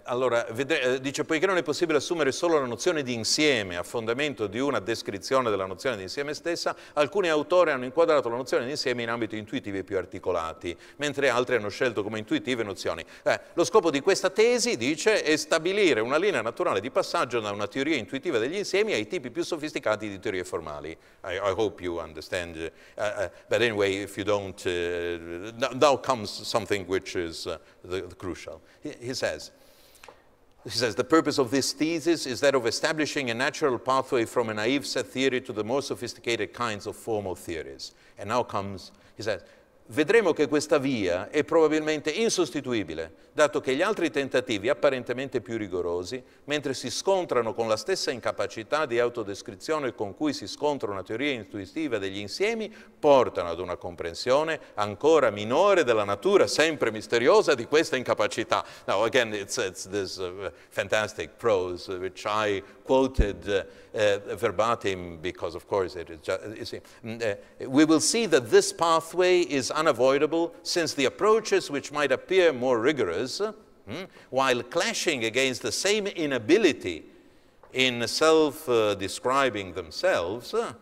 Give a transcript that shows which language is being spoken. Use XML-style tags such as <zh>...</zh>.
<it>Allora, dice, poiché non è possibile assumere solo la nozione di insieme a fondamento di una descrizione della nozione di insieme stessa, alcuni autori hanno inquadrato la nozione di insieme in ambiti intuitivi più articolati, mentre altri hanno scelto come intuitive nozioni. Lo scopo di questa tesi, dice, è stabilire una linea naturale di passaggio da una teoria intuitiva degli insiemi ai tipi più sofisticati di teorie formali.</it> <en>I hope you understand. But anyway, if you don't, now comes something which is the crucial. He says, the purpose of this thesis is that of establishing a natural pathway from a naive set theory to the more sophisticated kinds of formal theories. And now comes, he says,</en> <it>vedremo che questa via è probabilmente insostituibile, dato che gli altri tentativi apparentemente più rigorosi, mentre si scontrano con la stessa incapacità di autodescrizione con cui si scontra una teoria intuitiva degli insiemi, portano ad una comprensione ancora minore della natura sempre misteriosa di questa incapacità.</it> <en>Now again, it's this fantastic prose which I quoted verbatim because of course it is just, you see, we will see that this pathway is unavoidable since the approaches which might appear more rigorous, while clashing against the same inability in self-describing themselves,</en>